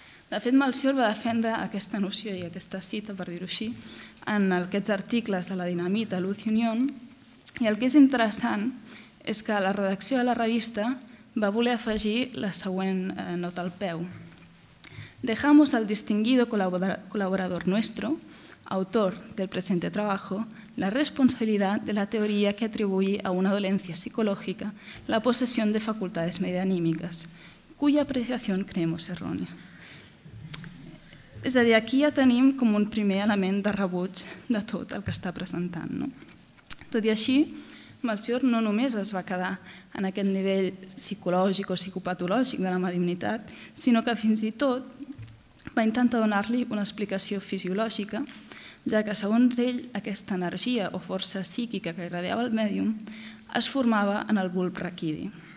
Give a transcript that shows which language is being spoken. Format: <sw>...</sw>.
<ca>De fet, Melcior va defendre aquesta noció i aquesta cita, per dir-ho així, en aquests articles de la dinamita Luz y Unión, i el que és interessant és que la redacció de la revista va voler afegir la següent nota al peu.</ca> <es>Dejamos al distinguido colaborador nuestro, autor del presente trabajo, la responsabilidad de la teoría que atribuye a una dolencia psicológica la posesión de facultades medianímicas, cuya apreciación creemos errónea.</es> <ca>És a dir, aquí ja tenim com un primer element de rebuig de tot el que està presentant. No? Tot i així, Melcior no només es va quedar en aquest nivell psicològic o psicopatològic de la mediunitat, sinó que fins i tot va intentar donar-li una explicació fisiològica, ja que segons ell aquesta energia o força psíquica que irradiava el mèdium es formava en el bulb raquidi.</ca>